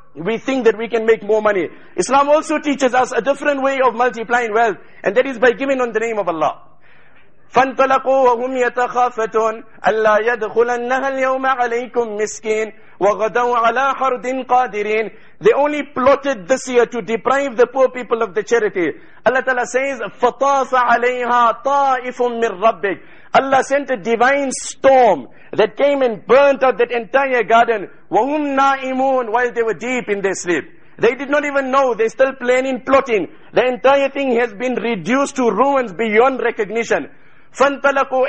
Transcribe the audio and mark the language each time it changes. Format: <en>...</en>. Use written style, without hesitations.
<en>We think that we can make more money. Islam also teaches us a different way of multiplying wealth, and that is by giving on the name of Allah.</en> <ar>فَانْتَلَقُوا وَهُمْ يَتَخَافَتُونَ أَلَّا يَدْخُلَنَّهَا الْيَوْمَ عَلَيْكُمْ مِسْكِينَ وَغَدَوْا عَلَىٰ حَرْدٍ قَادِرِينَ.</ar> <en>They only plotted this year to deprive the poor people of the charity. Allah Ta'ala says,</en> <ar>فَطَافَ عَلَيْهَا طَائِفٌ مِّن رَبِّكَ.</ar> <en>Allah sent a divine storm that came and burnt out that entire garden.</en> <ar>وَهُمْ نَائِمُونَ.</ar> <en>While they were deep in their sleep. They did not even know. They're still planning, plotting. The entire thing has been reduced to ruins beyond recognition.</en> <ar>فَانْتَلَقُوا.</ar>